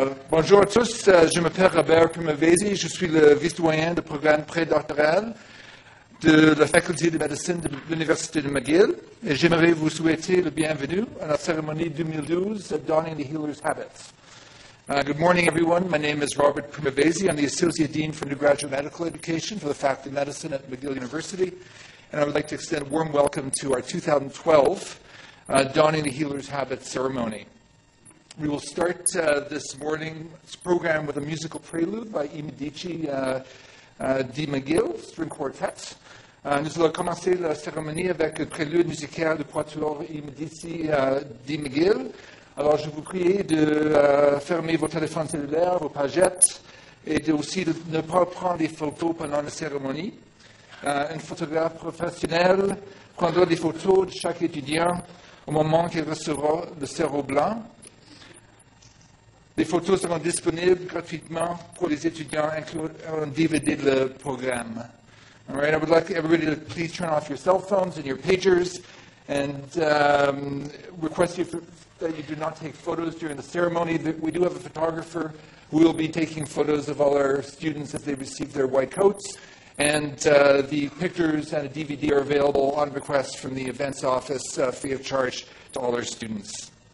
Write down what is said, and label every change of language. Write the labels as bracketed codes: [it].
[fr] Bonjour à tous, je m'appelle Robert Primavesi, je suis le vice-doyen du programme prédoctoral de la faculté de médecine de l'Université de McGill, et j'aimerais vous souhaiter le bienvenue à la cérémonie 2012 de Donning the Healer's Habits. [en] Good morning, everyone. My name is Robert Primavesi. I'm the Associate Dean for Undergraduate Medical Education for the Faculty of Medicine at McGill University, and I would like to extend a warm welcome to our 2012 Donning the Healer's Habits ceremony. We will start this morning's program with a musical prelude by I Medici di McGill, string quartet. [fr] Nous allons commencer la cérémonie avec un prélude musical de Quatuor I Medici di McGill. Alors, je vous prie de fermer vos téléphones cellulaires, vos pagettes, et aussi de ne pas prendre des photos pendant la cérémonie. Un photographe professionnel prendra des photos de chaque étudiant au moment qu'il recevra le cerveau blanc. Les photos seront disponibles gratuitement pour les étudiants, incluant un DVD de le programme. [en] All right, I would like everybody to please turn off your cell phones and your pagers, and request you that you do not take photos during the ceremony. We do have a photographer who will be taking photos of all our students as they receive their white coats, and the pictures and a DVD are available on request from the events office free of charge to all our students.